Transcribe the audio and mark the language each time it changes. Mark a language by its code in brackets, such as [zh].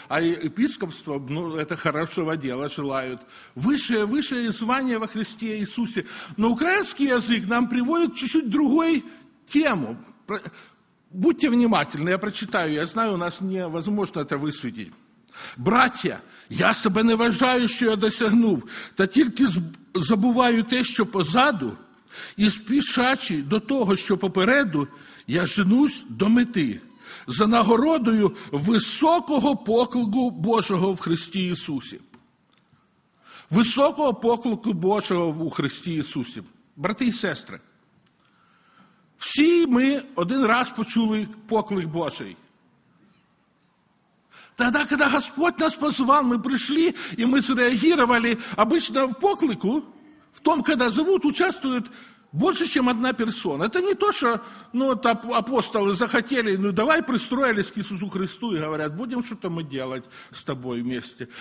[ru] А епископство, ну, это хорошего дела желают. Высшее, высшее звание во Христе Иисусе. Но украинский язык нам приводит чуть-чуть другую тему. Будьте внимательны, я прочитаю, я знаю, у нас невозможно это высветить. [uk] «Братья, я себе не вважаю, що я досягнув, та тільки забуваю те, що позаду, і спішачи до того, що попереду, я женусь до мети, за нагородою високого поклику Божого в Христі Ісусі». Високого поклику Божого у Христі Ісусі. Брати і сестри, всі ми один раз почули поклик Божий. [ru] Тогда, когда Господь нас позвал, мы пришли, и мы среагировали. Обычно в поклику, в том, когда зовут, участвует больше, чем одна персона. Это не то, что ну, апостолы захотели, ну давай пристроились к Иисусу Христу и говорят, будем что-то мы делать с тобой вместе.